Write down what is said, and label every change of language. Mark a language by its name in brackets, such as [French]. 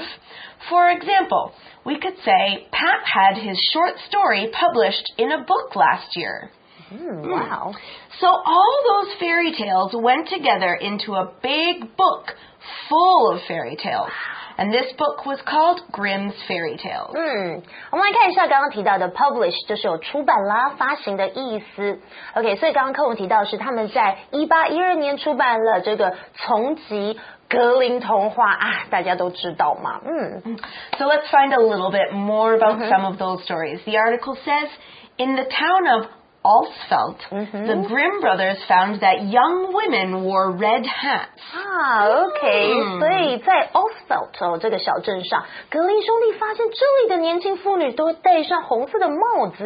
[English] have. For example, we could say, Pat had his short story published in a book last year. Wow. So all those fairy tales went together into a big book full of fairy tales. And this book was called Grimm's Fairy Tales. [Chinese] 我们来看一下刚刚提到的 publish 就是有出版啦发行的意思。 OK, 所以刚刚课文提到是他们在1812年出版了这个从集格林童话啊大家都知道嘛。 [English] So let's find a little bit more about some of those stories. The article says, in the town of Alsfeld, mm-hmm. the Grimm brothers found that young women wore red hats. Ah, okay. So, in Alsfeld, [Chinese] 这个小镇上，格林兄弟发现这里的年轻妇女都戴上红色的帽子。